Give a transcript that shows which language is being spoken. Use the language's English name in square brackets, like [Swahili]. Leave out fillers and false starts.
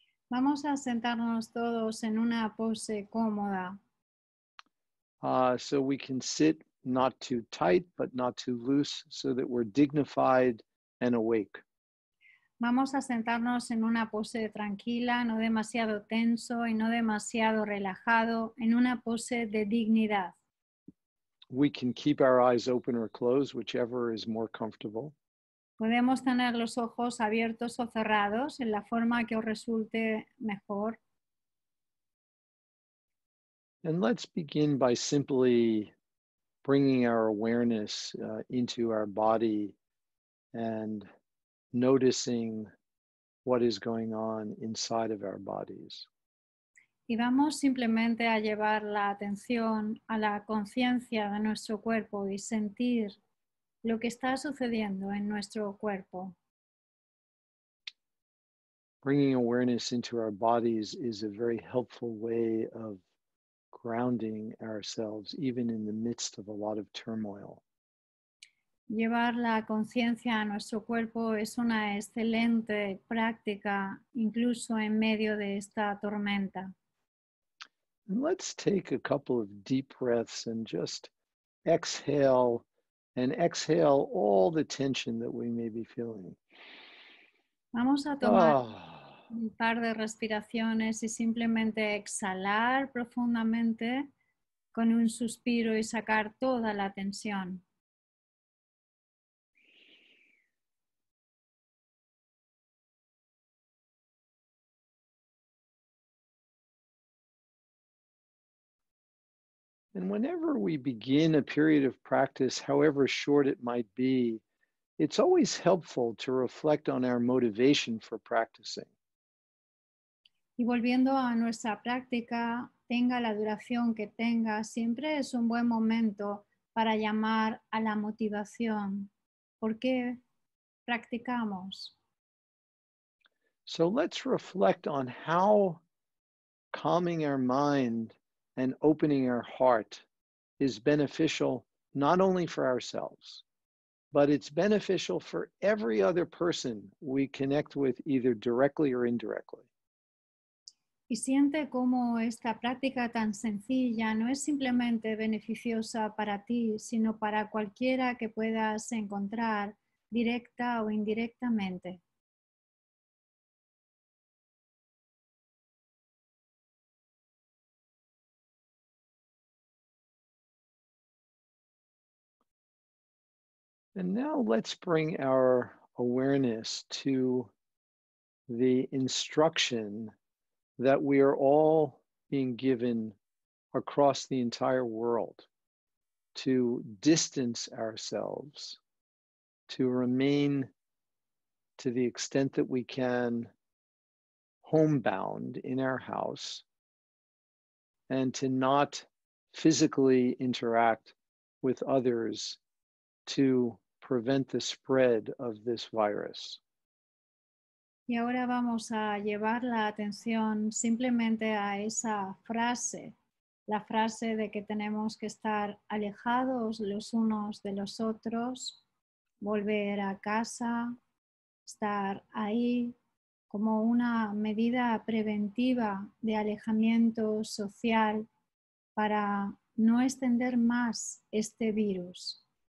[Spanish] Vamos a sentarnos todos en una pose cómoda. [English] So we can sit not too tight, but not too loose, so that we're dignified and awake. [Spanish] Vamos a sentarnos en una pose tranquila, no demasiado tenso y no demasiado relajado, en una pose de dignidad. [English] We can keep our eyes open or closed, whichever is more comfortable. [Spanish] Podemos tener los ojos abiertos o cerrados en la forma que os resulte mejor. [English] And let's begin by simply bringing our awareness into our body and noticing what is going on inside of our bodies. [Spanish] Y vamos simplemente a llevar la atención a la conciencia de nuestro cuerpo y sentir lo que está sucediendo en nuestro cuerpo. [English] Bringing awareness into our bodies is a very helpful way of grounding ourselves, even in the midst of a lot of turmoil. [Spanish] Llevar la conciencia a nuestro cuerpo es una excelente práctica, incluso en medio de esta tormenta. [English] And let's take a couple of deep breaths and just exhale. And exhale all the tension that we may be feeling. [Spanish] Vamos a tomar un par de respiraciones y simplemente exhalar profundamente con un suspiro y sacar toda la tensión. [English] And whenever we begin a period of practice, however short it might be, it's always helpful to reflect on our motivation for practicing. [Spanish] Y volviendo a nuestra práctica, tenga la duración que tenga, siempre es un buen momento para llamar a la motivación. ¿Por qué practicamos? [English] So let's reflect on how calming our mind and opening our heart is beneficial not only for ourselves, but it's beneficial for every other person we connect with, either directly or indirectly. [Spanish] Y siente cómo esta práctica tan sencilla no es simplemente beneficiosa para ti, sino para cualquiera que puedas encontrar, directa o indirectamente. [English] And now let's bring our awareness to the instruction that we are all being given across the entire world to distance ourselves, to remain to the extent that we can homebound in our house, and to not physically interact with others to prevent the spread of this virus. [Spanish] Y ahora vamos a llevar la atención simplemente a esa frase, la frase de que tenemos que estar alejados los unos de los otros, volver a casa, estar ahí como una medida preventiva de alejamiento social para no extender más este virus.